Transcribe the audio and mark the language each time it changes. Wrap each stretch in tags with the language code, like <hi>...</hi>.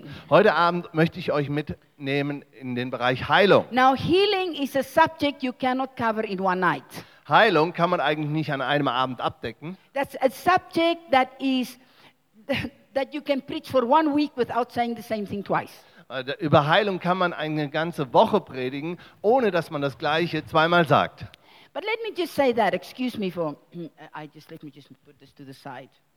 <de>Heute Abend möchte ich euch mitnehmen in den Bereich Heilung.</de> <en>Now healing is a subject you cannot cover in one night.</en> <de>Heilung kann man eigentlich nicht an einem Abend abdecken.</de> <en>That's a subject that is that you can preach for one week without saying the same thing twice.</en> <de>Über Heilung kann man eine ganze Woche predigen, ohne dass man das Gleiche zweimal sagt.</de> <en>But let me just say that. Excuse me for. I just let me just put this to the side.</en>